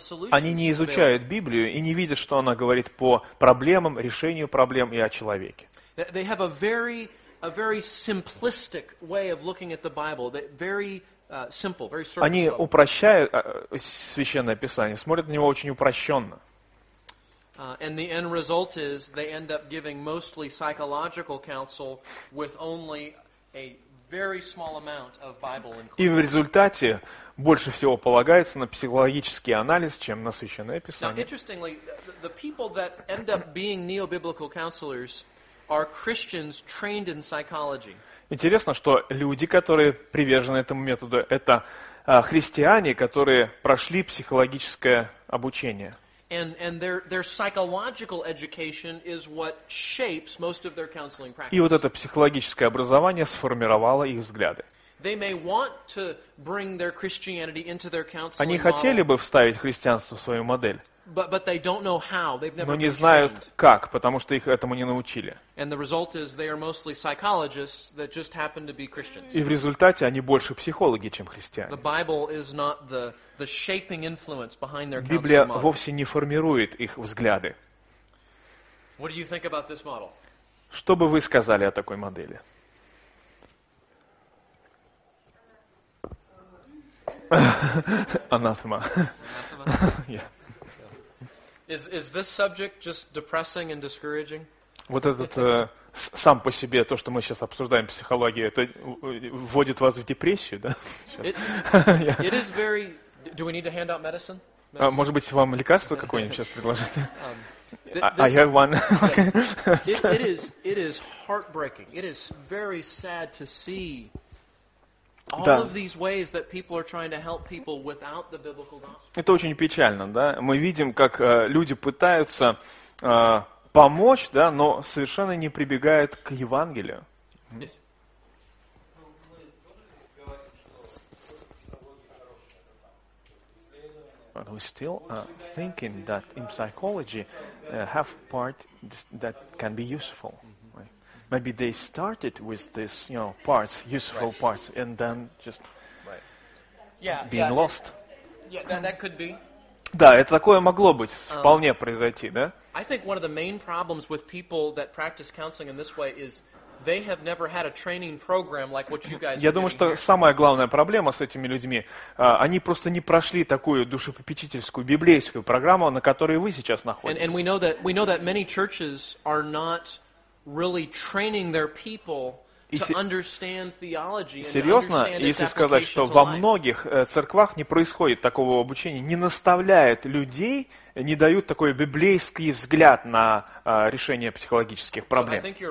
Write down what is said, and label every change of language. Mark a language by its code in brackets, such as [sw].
[ru] Они не изучают Библию и не видят, что она говорит по проблемам, решению проблем и о человеке. [en] They have a very simplistic way of looking at the Bible. Very simple, very surface. [ru] Они упрощают Священное Писание, смотрят на него очень упрощенно. [en] And the end result is they end up giving mostly psychological counsel with only a very small amount of Bible included. [ru] И в результате больше всего полагается на психологический анализ, чем на Священное Писание. [en] Now, interestingly, the people that end up being neo-biblical counselors are Christians trained in psychology. [ru] Интересно, что люди, которые привержены этому методу, это христиане, которые прошли психологическое обучение. [en] And their psychological education is what shapes most of their counseling practice. [ru] И вот это психологическое образование сформировало их взгляды. [en] They may want to bring their Christianity into their counseling. [ru] Они хотели бы вставить христианство в свою модель. [en] But they don't know how. They've never been trained. [ru] Но не знают как, потому что их этому не научили. [en] And the result is they are mostly psychologists that just happen to be Christians. [ru] И в результате они больше психологи, чем христиане. [en] The Bible is not the shaping influence behind their counseling model. [ru] Библия вовсе не формирует их взгляды. [en] What do you think about this model? [ru] Что бы вы сказали о такой модели? Анафема. [en] Is this subject just depressing and discouraging? [ru] Вот этот сам по себе то, что мы сейчас обсуждаем психологию, это вводит вас в депрессию, да? [en] It is very. Do we need to hand out medicine? [ru] Может быть, вам лекарство какое-нибудь сейчас предложить? [en] I have one. It is heartbreaking. It is very sad to see all of these ways that people are trying to help people without the biblical gospel. [ru] Это очень печально, да? Мы видим, как люди пытаются помочь, да, но совершенно не прибегают к Евангелию. [en] Yes. But we still are thinking that in psychology have part that can be useful. Maybe they started with this, you know, parts, useful right. parts, and then just yeah, being yeah. lost. Yeah, that could be. [ru] Да, это такое могло быть, вполне произойти, да? [en] I think one of the main problems with people that practice counseling in this way is they have never had a training program like what you guys. [ru] Я думаю, что самая главная проблема с этими людьми, они просто не прошли такую душепопечительскую библейскую программу, на которой вы сейчас находитесь. [en] And we know that many churches are not really training their people to understand theology. [ru] Серьезно, если сказать, что во многих церквах не происходит такого обучения, не наставляют людей, не дают такой библейский взгляд на решение психологических проблем.